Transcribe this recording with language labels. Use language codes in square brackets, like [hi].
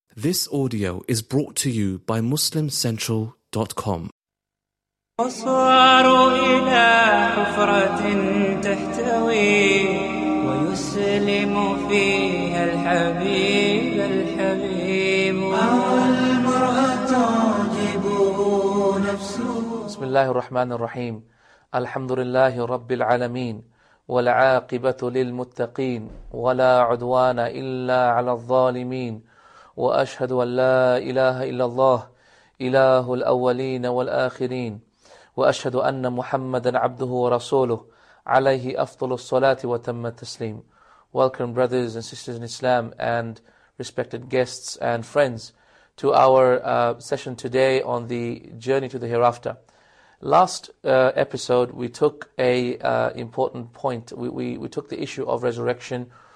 [en] This audio is brought to you by MuslimCentral.com. أصوار إلى حفرة تحتوي ويسلم فيها الحبيب الحبيب والمرأة تعجبه نفسه. [ar] بسم الله الرحمن الرحيم. الحمد لله رب العالمين والعاقبة للمتقين ولا عدوان إلا على الظالمين وأشهد أن لا إله إلا الله إله الأولين والآخرين وأشهد أن محمدا عبده ورسوله عليه أفضل الصلاة وتم التسليم. [en] Welcome brothers and sisters in Islam and respected guests and friends to our session today on the journey to the hereafter. Last episode we took a important point. We took the issue of resurrection.